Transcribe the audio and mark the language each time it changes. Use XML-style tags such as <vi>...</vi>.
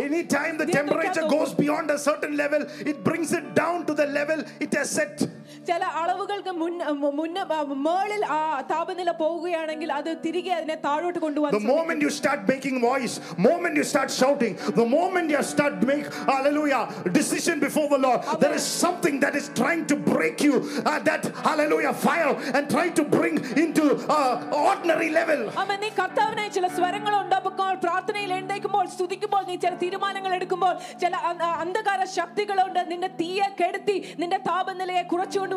<en>any time the temperature goes beyond a certain level, it brings it down to the level it has set.</en> <ml>ചില അളവുകൾക്ക് മുകളിൽ ആ താപനില പോവുകയാണെങ്കിൽ അത് തിരികെ അതിനെ താഴോട്ട് കൊണ്ടുവന്നു.</ml> <en>The moment you start making voice, moment you start shouting, the moment you start make hallelujah decision before the Lord, there is something that is trying to break you that hallelujah fire and try to bring into ordinary level.</en> <ml>അമ്മേ നീ കർത്താവിനെ ചില സ്വരങ്ങൾ ഉണ്ടാക്കുമ്പോൾ പ്രാർത്ഥനയിൽ എഴുന്നേൽക്കുമ്പോൾ സ്തുതിക്കുമ്പോൾ നീ ചില തീരുമാനങ്ങൾ എടുക്കുമ്പോൾ ചില അന്ധകാര ശക്തികളുണ്ട് നിന്റെ തീയ കെടുത്തി നിന്റെ താപനിലയെ കുറച്ചു.</ml>